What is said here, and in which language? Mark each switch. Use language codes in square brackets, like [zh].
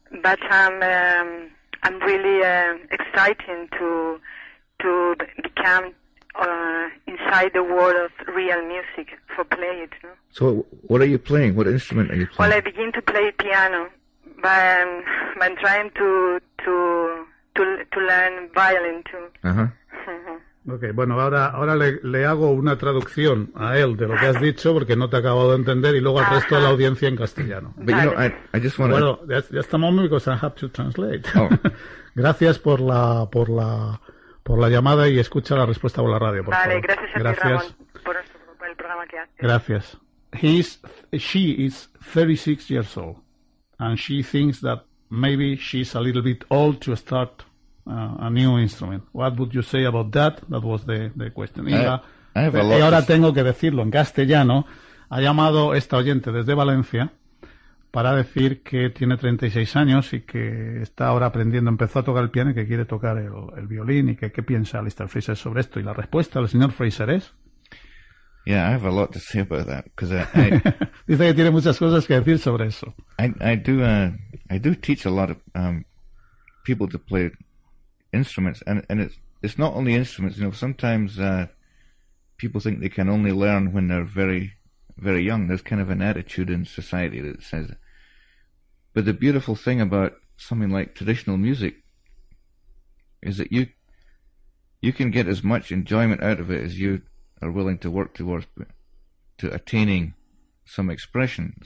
[en] But I'm really excited to become inside the world of real music for play it. [es] No? [en] So what are you playing? What instrument are you playing? Well, I begin to play piano, but I'm trying to learn violin too. [es] Okay, bueno, ahora le hago una traducción a él de lo que has dicho porque no te he acabado de entender y luego al resto de la audiencia en castellano. [en] But you know, I just want to... Well, just a moment because I have to translate. Oh. [es] Gracias por la llamada y escucha la respuesta por la radio, por favor. Vale, gracias a ti, Ramón, por el programa que haces. Gracias. [en] She is 36 years old and she thinks that maybe she's a little bit old to start... a new instrument. What would you say about that? That was the question. I have a lot [es] y ahora tengo que decirlo en castellano. Ha llamado esta oyente desde Valencia para decir que tiene 36 años y que está ahora aprendiendo, empezó a tocar el piano y que quiere tocar el violín y que qué piensa Alistair Fraser sobre esto. Y la respuesta del señor Fraser es... [en] Yeah, I have a lot to say about that. Cause [es] dice que tiene muchas cosas que decir sobre eso. [en] I do teach a lot of people to play instruments and it's it's not only instruments. You know, sometimes people think they can only learn when they're very, very young. There's kind of an attitude in society that says it. But the beautiful thing about something like traditional music is that you can get as much enjoyment out of it as you are willing to work towards to attaining some expression.